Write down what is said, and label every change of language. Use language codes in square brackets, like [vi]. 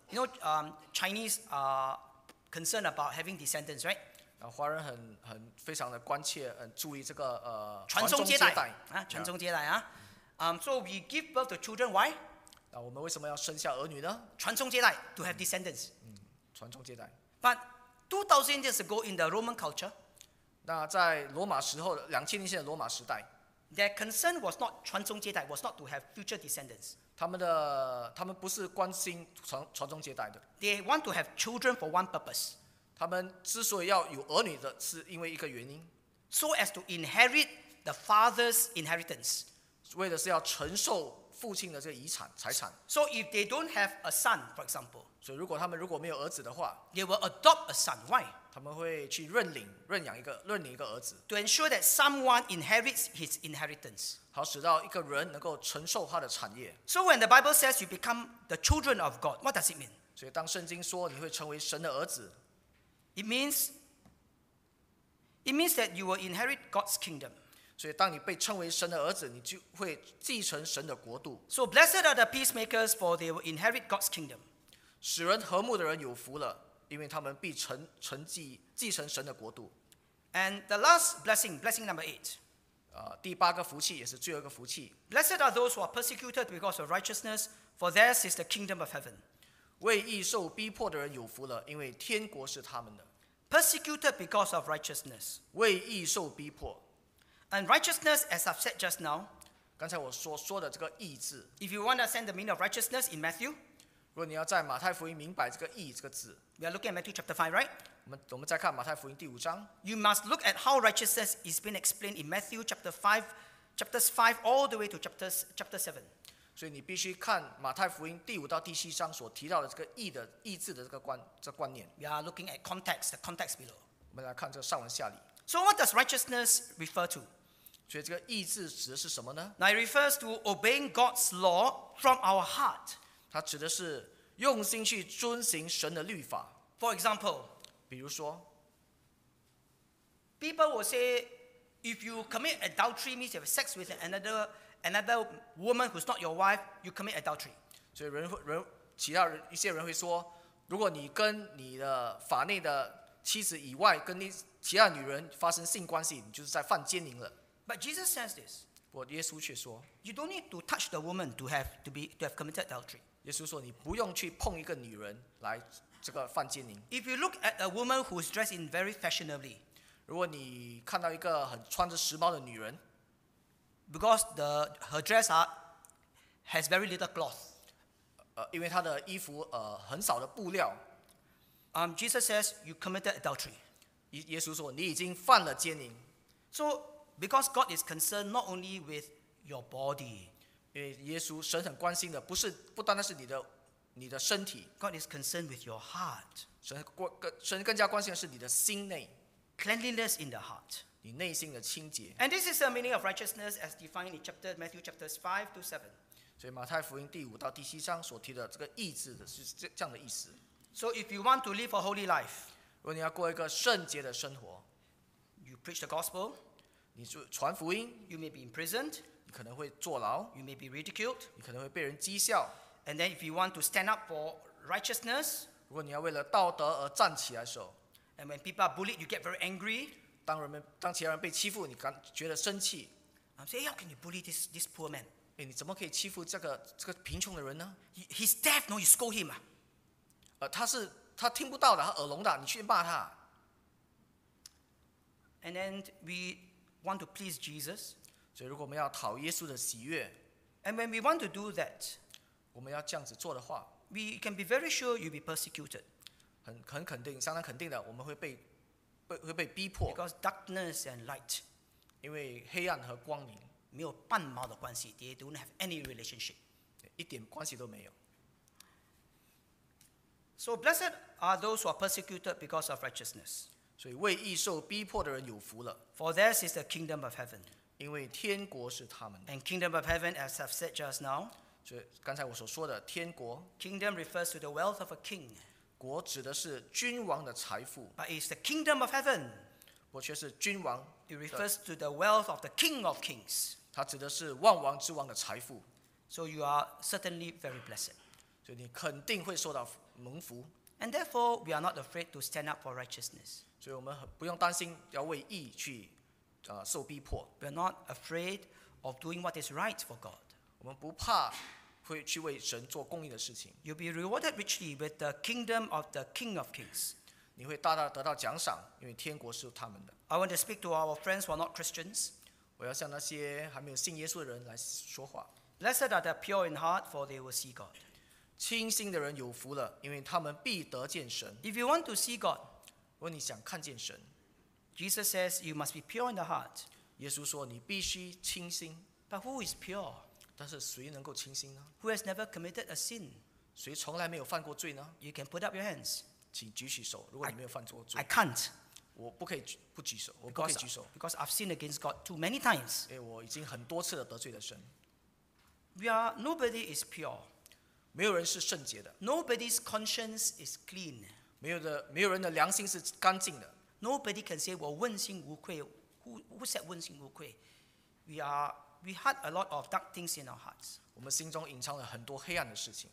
[en] You know, Chinese are concerned about having descendants, right? [zh] 华人很非常的关切，很注意这个传宗接代啊。 [en] So we give birth to children, why? [zh] 那我们为什么要生下儿女呢？传宗接代 [en] to have descendants. [zh] 传宗接代。 [en] But 2,000 years ago in the Roman culture, [zh] 那在罗马时候 2,000年前的罗马时代， [en] their concern was not [zh] 传宗接代， [en] was not to have future descendants. [zh] 他们不是关心传宗接代的。 [en] They want to have children for one purpose. [zh] 他们之所以要有儿女的是因为一个原因。 [en] So as to inherit the father's inheritance. [zh] 为的是要承受父亲的这个遗产财产。 [en] So if they don't have a son, for example, [zh] 所以如果他们如果没有儿子的话 [en] ，they will adopt a son. Why? [zh] 他们会去认领一个儿子 [en] ，to ensure that someone inherits his inheritance. [zh] 好，使到一个人能够承受他的产业。 [en] So when the Bible says you become the children of God, what does it mean? [zh] 所以当圣经说你会成为神的儿子 [en] ，it means that you will inherit God's kingdom. [zh] 所以当你被称为神的儿子你就会继承神的国度 [en] So blessed are the peacemakers for they will inherit God's kingdom [zh] 使人和睦的人有福了因为他们必承继承神的国度 [en] And the last blessing number 8 [zh] 第八个福气也是最后一个福气 [en] Blessed are those who are persecuted because of righteousness for theirs is the kingdom of heaven [zh] 为义受逼迫的人有福了因为天国是他们的 [en] Persecuted because of righteousness [zh] 为义受逼迫 [en] And righteousness, as I've said just now, [zh] 刚才我说的这个义字 [en] if you want to send the meaning of righteousness in Matthew, [zh] 如果你要在马太福音明白这个义这个字 [en] we are looking at Matthew chapter 5, right? [zh] 我们再看马太福音第五章 [en] you must look at how righteousness is being explained in Matthew chapters 5 all the way to chapter 7. [zh] 所以你必须看马太福音第五到第七章所提到的这个义的义字的这个观念 [en] we are looking at context, the context below. [zh] 我们来看这个上文下理 [en] So what does righteousness refer to? [zh] 所以这个义字指的是什么呢 [en] Now it refers to obeying God's law from our heart. [zh] 它指的是用心去遵行神的律法。 [en] For example, [zh] 比如说 [en] people will say, if you commit adultery, means you have sex with another woman who's not your wife, you commit adultery. [zh] 所以一些人会说，如果你跟你的法内的妻子以外，跟其他女人发生性关系，你就是在犯奸淫了。 [en] But Jesus says this. [zh] 不，耶稣却说 [en] You don't need to touch the woman to have committed adultery. [zh] 耶稣说你不用去碰一个女人来这个犯奸淫。 [en] If you look at a woman who is dressed in very fashionably, [zh] 如果你看到一个很穿着时髦的女人 [en] because her dress has very little cloth. [zh] 因为她的衣服很少的布料。 [en] Jesus says you committed adultery. [zh] 耶稣说你已经犯了奸淫。 [en] So,Because God is concerned not only with your body. [zh] 因为耶稣神很关心的不是不单单是你的身体。 [en] God is concerned with your heart. [zh] 神更加关心的是你的心内。 [en] Cleanliness in the heart. [zh] 你内心的清洁。 [en] And this is the meaning of righteousness as defined in Matthew chapters 5 to 7. [zh] 所以马太福音第五到第七章所提的这个义字的是这样的意思。 [en] So if you want to live a holy life. [zh] 如果你要过一个圣洁的生活。 [en] You preach the gospel. [zh] 你传福音 [en] you may be imprisoned, [zh] 你可能会坐牢 [en] you may be ridiculed, [zh] 你可能会被人讥笑 [en] and then if you want to stand up for righteousness, [zh] 如果你要为了道德而站起来的时候 [en] and when people are bullied, you get very angry, [zh] 当其他人被欺负你觉得生气 [en] I'm saying, how can you bully this poor man? [zh] 你怎么可以欺负这个贫穷的人呢 [en] He's deaf, no, you scold him. [zh] 他听不到的他耳聋的你去骂他 [en] and then we... want to please Jesus. [zh] 所以如果我们要讨耶稣的喜悦 [en] and when we want to do that, [zh] 我们要这样子做的话 [en] we can be very sure you'll be persecuted. [zh] 很肯定，相当肯定的，我们会被逼迫 [en] because darkness and light, [zh] 因为黑暗和光明没有半毛的关系 [en] they don't have any relationship. [zh] 一点关系都没有。 [en] So blessed are those who are persecuted because of righteousness. [zh] 所以为义受逼迫的人有福了 [en] For theirs is the kingdom of heaven. [zh] 因为天国是他们的 [en] And kingdom of heaven, as I've said just now. [zh] 所以刚才我所说的天国 [en] Kingdom refers to the wealth of a king. [zh] 国指的是君王的财富 [en] But it's the kingdom of heaven. [zh] 不却是君王的 [en] It refers to the wealth of the king of kings. [zh] 它指的是万王之王的财富 [en] So you are certainly very blessed. [zh] 所以你肯定会受到蒙福 [en] And therefore, we are not afraid to stand up for righteousness. [zh] 所以我们不用担心要为义去受逼迫。 [en] We are not afraid of doing what is right for God. [zh] 我们不怕会去为神做公义的事情。 [en] You'll be rewarded richly with the kingdom of the King of Kings. [zh] 你会大大得到奖赏，因为天国是他们的。 [en] I want to speak to our friends who are not Christians. [zh] 我要向那些还没有信耶稣的人来说话。 [en] Blessed are the pure in heart, for they will see God. [zh] 清心的人有福了，因为他们必得见神。 [en] If you want to see God. [zh] 如果你想看见神 [en] Jesus says you must be pure in the heart. [zh] 耶稣说你必须清心 [en] But But who is pure? [zh] 但是谁能够清心呢? [en] Who has never committed a sin? [zh] 谁从来没有犯过罪呢? [en] You can put up your hands. [zh] 请举起手, 如果你没有犯过罪, [en] I can't. [zh] 我不可以举手, 我不可以举手, [en] because I've sinned against God too many times. [zh] 因为我已经很多次得罪了神。 [en] We are, nobody is pure. [zh] 没有人是圣洁的。 [en] Nobody's conscience is clean. [zh] 没有人的良心是干净的。 [en] Nobody can say, [zh] 我问心无愧, [en] who said [zh] 问心无愧? [en] We had a lot of dark things in our hearts. [zh] 我们心中隐藏了很多黑暗的事情。